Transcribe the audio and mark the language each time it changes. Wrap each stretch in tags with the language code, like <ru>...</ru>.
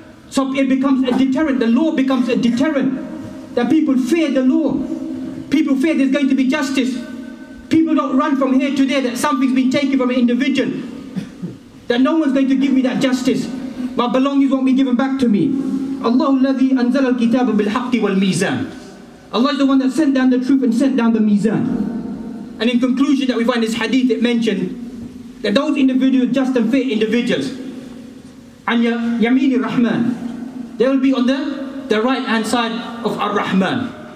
<en>So it becomes a deterrent. The law becomes a deterrent. That people fear the law. People fear there's going to be justice. People don't run from here to there that something's been taken from an individual. That no one's going to give me that justice. My belongings won't be given back to me.</en> <ar>Allah الذي أنزل الكتاب بالحق والميزان.</ar> <en>Allah is the one that sent down the truth and sent down the mizan. And in conclusion that we find this hadith, it mentioned that those individuals, just and fair individuals, and</en> <ar>yamini rahman,</ar> <en>they will be on the right hand side of ar-Rahman.</en>